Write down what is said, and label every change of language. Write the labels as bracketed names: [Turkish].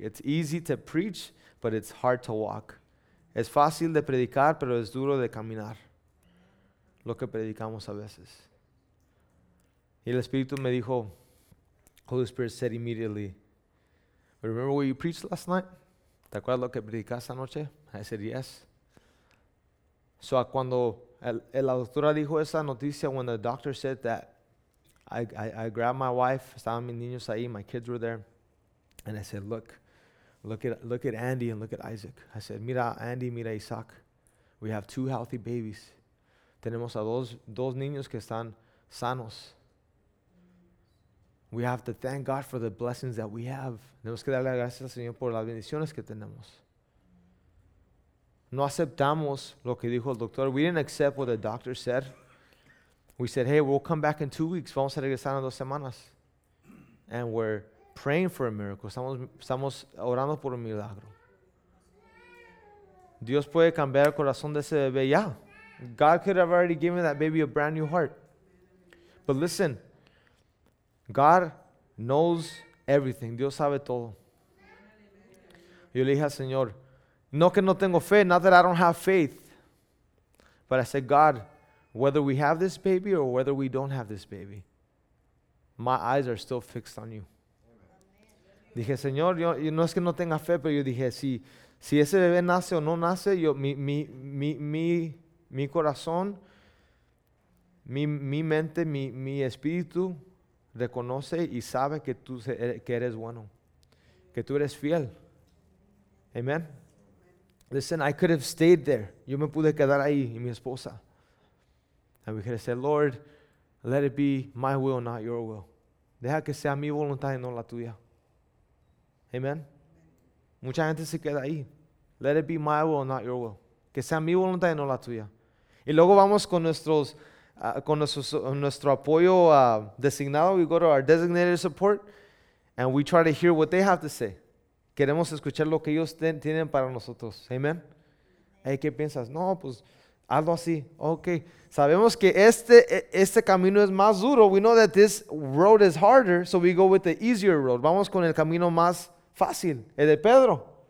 [English] It's easy to preach, but it's hard to walk. [Spanish] Es fácil de predicar, pero es duro de caminar. Lo que predicamos a veces. Y el Espíritu me dijo, [English] Holy Spirit said immediately, remember what you preached last night? [Spanish] ¿Te acuerdas lo que predicaste anoche? [English] I said, yes. So [Spanish] cuando la doctora dijo esa noticia, [English] when the doctor said that, I grabbed my wife, [Spanish] estaban mis niños ahí, [English] my kids were there, and I said, look at Andy and look at Isaac. I said, [Spanish] mira Andy, mira Isaac. [English] We have two healthy babies. [Spanish] Tenemos a dos niños que están sanos. [English] We have to thank God for the blessings that we have. [Spanish] Tenemos que darle gracias al Señor por las bendiciones que tenemos. No aceptamos lo que dijo el doctor. [English] We didn't accept what the doctor said. We said, hey, we'll come back in 2 weeks. [Spanish] Vamos a regresar en 2 semanas. [English] And we're praying for a miracle. [Spanish] Estamos orando por un milagro. Dios puede cambiar el corazón de ese bebé. [English] Yeah. God could have already given that baby a brand new heart. But listen, God knows everything. [Spanish] Dios sabe todo. Yo le dije al Señor, no que no tengo fe, [English] not that I don't have faith. But I said, God, whether we have this baby or whether we don't have this baby, my eyes are still fixed on you. Amen. [Spanish] Dije, Señor, yo no es que no tenga fe, pero yo dije, si ese bebé nace o no nace, mi corazón, mi mente, mi espíritu reconoce y sabe que tú eres bueno, que tú eres fiel. Amen. [English] Listen, I could have stayed there. [Spanish] Yo me pude quedar ahí y mi esposa. [English] And we could have said, Lord, let it be my will, not your will. [Spanish] Deja que sea mi voluntad y no la tuya. Amen. Mucha gente se queda ahí. [English] Let it be my will, not your will. [Spanish] Que sea mi voluntad y no la tuya. Y luego vamos con nuestro apoyo designado. [English] We go to our designated support and we try to hear what they have to say. [Spanish] Queremos escuchar lo que ellos tienen para nosotros. Amen. Hey, ¿qué piensas? No, pues hazlo así. Okay. Sabemos que este camino es más duro. [English] We know that this road is harder, so we go with the easier road. [Spanish] Vamos con el camino más fácil, el de Pedro.